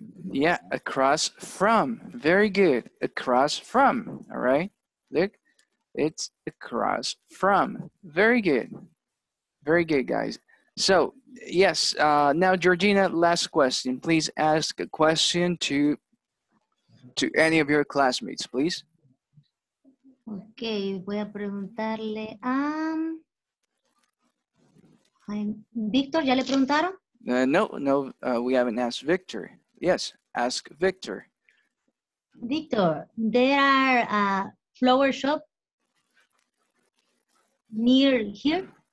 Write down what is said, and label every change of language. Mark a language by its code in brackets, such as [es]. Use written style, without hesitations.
[en] Yeah, across from. Very good. Across from. All right. Look, it's across from. Very good. Very good, guys. So, yes, now Georgina, last question. Please ask a question to any of your classmates, please. [es] Okay, voy a preguntarle a Victor, ¿ya le preguntaron? [en] We haven't asked Victor. Yes, ask Victor. Victor, there are a flower shop near here?